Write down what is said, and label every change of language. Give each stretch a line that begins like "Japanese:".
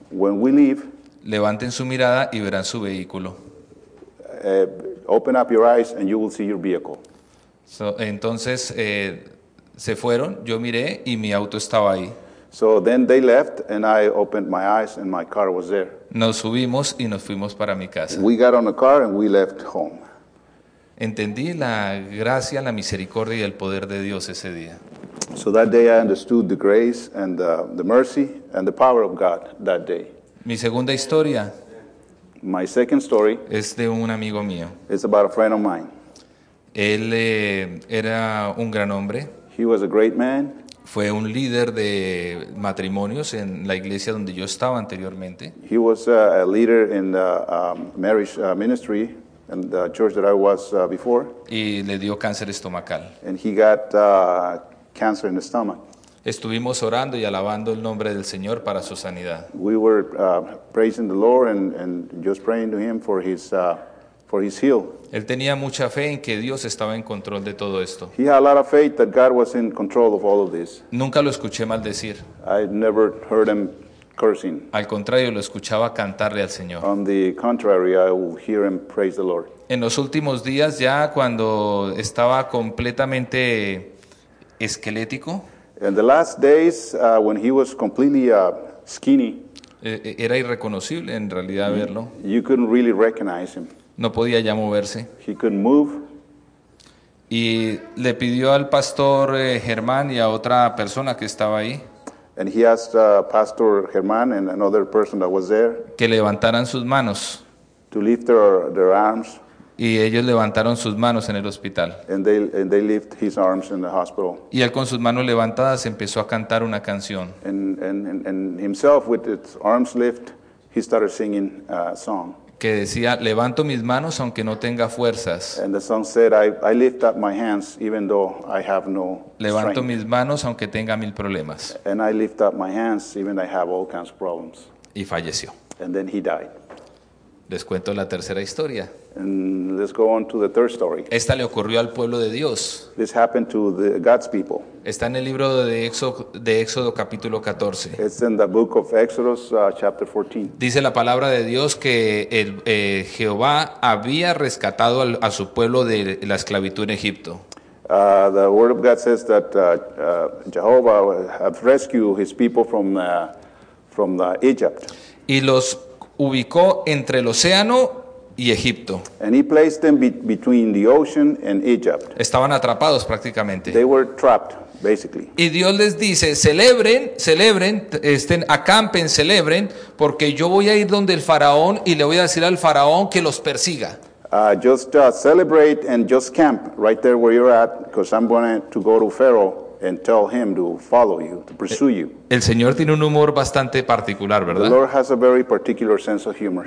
English: When we leave,
Spanish: levanten su mirada y verán su vehículo.
English: Open up your eyes and you will see your vehicle.
Spanish: So, entonces se fueron, yo miré y mi auto estaba ahí.
English: So then they left and I opened my eyes and my car was there.
Spanish: Nos subimos y nos fuimos para mi casa.
English: We got on the car and we left home.
Spanish: Entendí la gracia, la misericordia y el poder de Dios ese día.
English: So that day I understood the grace and the mercy and the power of God that day.
Spanish: Mi segunda historia.
English: My second story.
Spanish: Es de un amigo mío.
English: It's about a friend of mine.
Spanish: Él era un gran hombre.
English: He was a great man.
Spanish: Fue un líder de matrimonios en la iglesia donde yo estaba anteriormente.
English: He was a leader in the marriage ministry in the church that I was before.
Spanish: Y le dio cáncer estomacal.
English: And he got cancer in the stomach.
Spanish: Estuvimos orando y alabando el nombre del Señor para su sanidad.
English: We were praising the Lord and just praying to him for his for his heal.
Spanish: Él tenía mucha fe en que Dios estaba en control de todo esto.
English: He had a lot of faith that God was in control of all of this.
Spanish: Nunca lo escuché maldecir.
English: I never heard him cursing.
Spanish: Al contrario, lo escuchaba cantarle al Señor.
English: On the contrary, I would hear him praise the Lord.
Spanish: En los últimos días, ya cuando estaba completamente esquelético.
English: In the last days, when he was completely skinny.
Spanish: Era irreconocible en realidad verlo.
English: You couldn't really recognize him.
Spanish: No podía ya moverse.
English: He couldn't move.
Spanish: Y le pidió al pastor Germán y a otra persona que estaba ahí.
English: And he asked Pastor Germán and another person that was there.
Spanish: Que levantaran sus manos.
English: To lift their arms.
Spanish: Y ellos levantaron sus manos en el hospital.
English: And they lift his arms in the hospital.
Spanish: Y él con sus manos levantadas empezó a cantar una canción.
English: And himself with his arms lift, he started singing a song.
Spanish: Que decía, levanto mis manos aunque no tenga fuerzas.
English: And the song said, I lift up my hands even though I have no strength.
Spanish: Levanto mis manos aunque tenga mil problemas.
English: And I lift up my hands even I have all kinds of problems.
Spanish: Y falleció.
English: And then he died.
Spanish: Les cuento la tercera historia.
English: And let's go on to the third story.
Spanish: Esta le ocurrió al pueblo de Dios.
English: This happened to the God's people.
Spanish: Está en el libro de Éxodo capítulo 14.
English: It's in the book of Exodus, chapter 14.
Spanish: Dice la palabra de Dios que Jehová había rescatado a su pueblo de la esclavitud en Egipto.
English: The word of God says that Jehovah had rescued his people from Egypt.
Spanish: Y los ubicó entre el océano y Egipto.
English: And he placed them between the ocean and Egypt.
Spanish: Estaban atrapados prácticamente.
English: They were trapped, basically.
Spanish: Y Dios les dice, celebren, celebren, estén, acampen, celebren, porque yo voy a ir donde el faraón y le voy a decir al faraón que los persiga.
English: Celebrate and just camp right there where you're at, because I'm going to go to Pharaoh and tell him to follow you, to pursue you.
Spanish: El Señor tiene un humor bastante particular, ¿verdad?
English: The Lord has a very particular sense of humor.